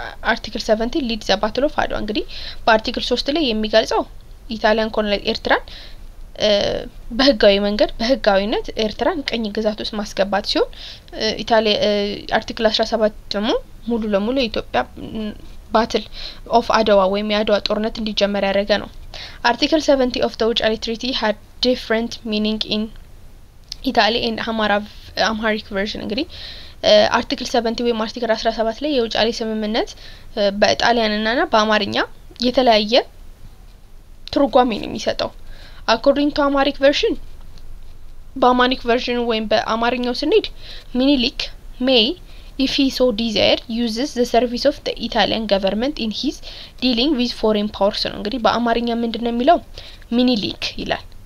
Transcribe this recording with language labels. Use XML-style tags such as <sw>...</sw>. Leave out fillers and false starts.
<am>አርቲክል 70 ሊድ ዘ ባትል ኦፍ አድዋ እንግዲህ በአርቲክል 3 ላይ የሚገልጸው ኢታሊያን ኮሎናይዝ ኤርትራን በህጋዊ መንገድ በህጋዊነት ኤርትራን ቀኝ ግዛት ውስጥ ማስገባት ሲሆን ኢታሊያ አርቲክል 17 ደግሞ ሙሉ ለሙሉ የኢትዮጵያ ባትል ኦፍ አድዋ ወይም የአድዋ ጦርነት እንዲጀመር ያደረገ ነው</am> <en>Article 70 of the Ujjaali Treaty had different meaning in Italy and Amharic version. Article 70</en> <am>ወይም አርቲክል 17 ላይ የውጫሊ ስምምነት በጣሊያንና በአማርኛ የተለያየ ትርጓሜ ነው የሚሰጠው.</am> <en>According to Amharic version, Bamanic version</en> <am>ወይም በአማርኛው ስንሄድ</am> <en>Minilik may, if he so desire, uses the service of the Italian government in his dealing with foreign powers.</en> <am>እንግዲህ በአማርኛ ምንድን ነው የሚለው? Minilik ይላል.</am>